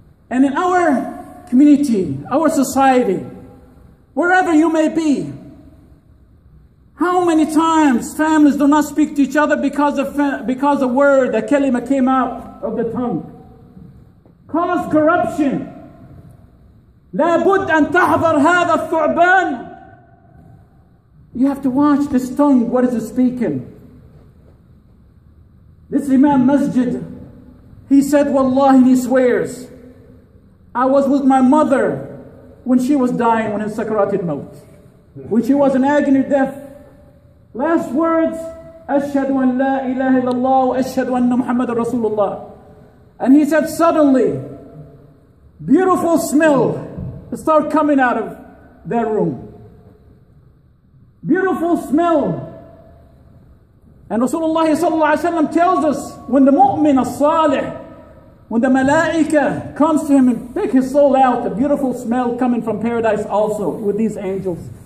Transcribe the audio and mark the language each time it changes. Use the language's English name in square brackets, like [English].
[English] And in our community, our society, wherever you may be, how many times families do not speak to each other because a word, a kalima came out of the tongue. Cause corruption. [Arabic] لابد أن تحضر هذا الثعبان. [English] You have to watch this tongue, what is it speaking? This Imam Masjid, he said, Wallahi, he swears, I was with my mother when she was dying, when his sakaratul maut, when she was in agony of death. Last words, [Arabic] أَشْهَدُ أَنْ لَا إِلَهِ إِلَّا اللَّهُ وَأَشْهَدُ أَنَّ مُحَمَّدًا رَسُولُ اللَّهِ. [English] And he said, suddenly, beautiful smell start coming out of their room. Beautiful smell. And Rasulullah sallallahu alayhi wa sallam tells us, when the mu'min as-salih, when the malaika comes to him and pick his soul out, a beautiful smell coming from paradise also with these angels.